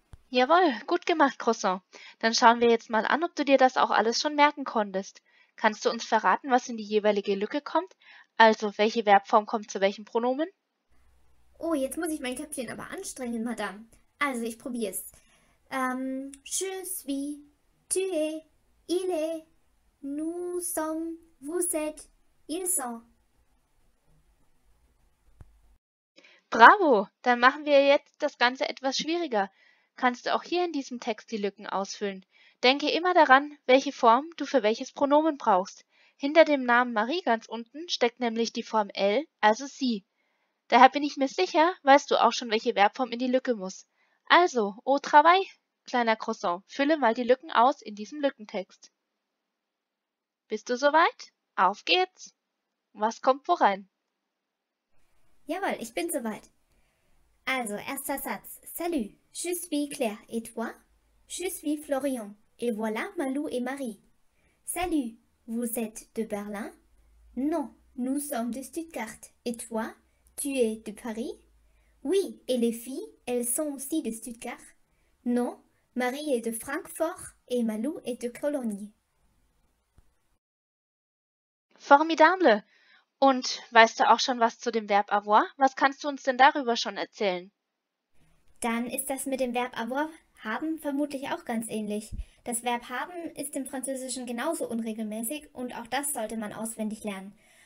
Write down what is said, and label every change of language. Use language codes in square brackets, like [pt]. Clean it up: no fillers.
[de] Jawohl, gut gemacht, Croissant. Dann schauen wir jetzt mal an, ob du dir das auch alles schon merken konntest. Kannst du uns verraten, was in die jeweilige Lücke kommt? Also, welche Verbform kommt zu welchem Pronomen? Oh, jetzt muss ich mein Köpfchen aber anstrengen, Madame. Also, ich probier's. [fr] Je suis, tu es, il est, nous sommes, vous êtes, ils sont. [de] Bravo! Dann machen wir jetzt das Ganze etwas schwieriger. Kannst du auch hier in diesem Text die Lücken ausfüllen? Denke immer daran, welche Form du für welches Pronomen brauchst. Hinter dem Namen Marie ganz unten steckt nämlich die Form elle, also sie. Daher bin ich mir sicher, weißt du auch schon, welche Verbform in die Lücke muss. Also, [fr] au travail, [de] kleiner Croissant, fülle mal die Lücken aus in diesem Lückentext. Bist du soweit? Auf geht's! Was kommt wo rein? Jawohl, ich bin soweit. Also, erster Satz. [fr] Salut, je suis Claire et toi? Je suis Florian et voilà Malou et Marie. Salut, vous êtes de Berlin? Non, nous sommes de Stuttgart et toi? Tu es de Paris? Oui, et les filles, elles sont aussi de Stuttgart? Non, Marie est de Francfort et Malou est de Cologne. Formidable! [de] Und weißt du auch schon was zu dem Verb avoir? Was kannst du uns denn darüber schon erzählen? Dann ist das mit dem Verb avoir haben vermutlich auch ganz ähnlich. Das Verb haben ist im Französischen genauso unregelmäßig und auch das sollte man auswendig lernen.